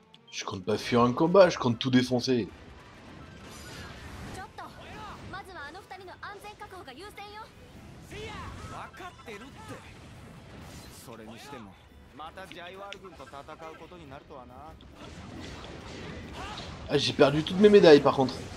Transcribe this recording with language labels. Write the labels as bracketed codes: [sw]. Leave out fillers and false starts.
[fr] Je compte pas fuir un combat, je compte tout défoncer. [ja] ちょっと、まずはあの二人の安全確保が優先よ。わかってるって。それにしても、またジャイワール軍と戦うことになるとはな。 [fr] Ah, j'ai perdu toutes mes médailles par contre.